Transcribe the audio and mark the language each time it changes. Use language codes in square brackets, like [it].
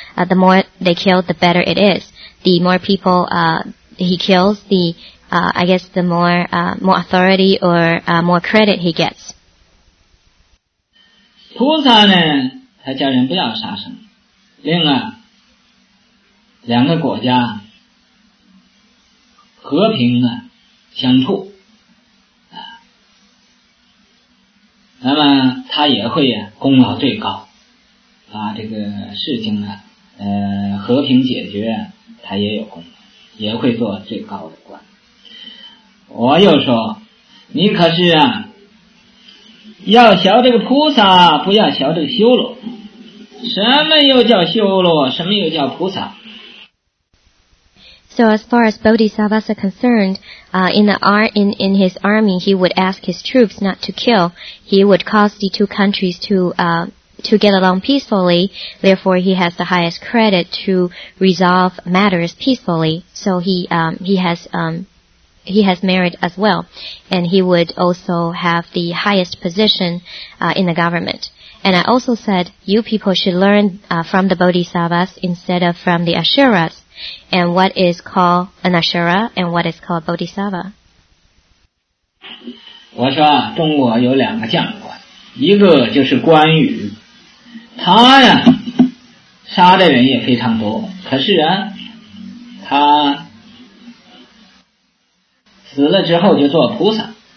[en] The more they kill, the better it is. The more people, he kills, the more authority or, more credit he gets. [zh] 菩萨呢，他叫人不要杀生。另外，两个国家和平啊，相处。那么他也会功劳最高，把这个事情呢，和平解决，他也有功劳，也会做最高的官。我又说，你可是啊，要学这个菩萨，不要学这个修罗。什么又叫修罗？什么又叫菩萨？ [en] So as far as bodhisattvas are concerned, in his army, he would ask his troops not to kill. He would cause the two countries to get along peacefully. Therefore, he has the highest credit to resolve matters peacefully. So he has merit as well. And he would also have the highest position, in the government. And I also said, you people should learn, from the bodhisattvas instead of from the asuras. And what is called an asura and what is called bodhisattva? [zh] 我说啊，中国有两个将官，一个就是关羽，他呀，杀的人也非常多，可是啊，他死了之后就做菩萨。